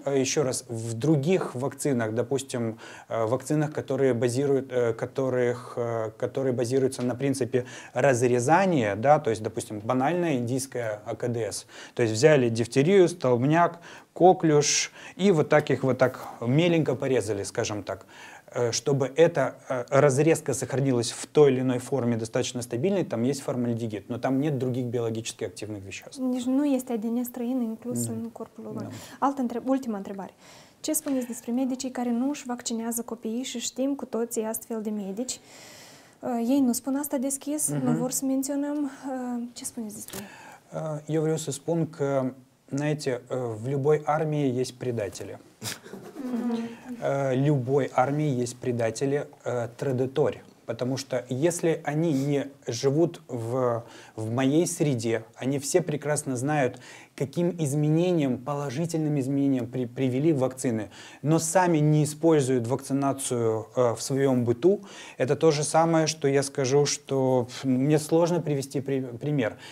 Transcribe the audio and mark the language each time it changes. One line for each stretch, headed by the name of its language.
Russian: еще раз, в других вакцинах, допустим, вакцинах, которые базируются на принципе разрезания, да, то есть, допустим, банальная индийская АКДС, то есть взяли дифтерию, столбняк, коклюш, и вот так их вот так миленько порезали, скажем так. чтобы эта разрезка сохранилась в той или иной форме достаточно стабильной, там есть формальдегид, но там нет других биологически активных веществ. Ну, есть один эстроген, инклюз в корпусе.
Romanian: Ultima întrebare. Ce spuneți despre medicii care nu își vaccinează copiii și știm cu toții astfel de medici? Ei nu spun asta deschis, nu vor să menționăm. Ce spuneți despre ei? Eu vreau să spun că,
Russian: знаете, в любой армии есть предатели. Любой армии есть предатели, традитори. Потому что если они не живут в моей среде, они все прекрасно знают, каким изменениям, положительным изменениям привели вакцины, но сами не используют вакцинацию в своем быту, это то же самое, что я скажу, что мне сложно привести пример.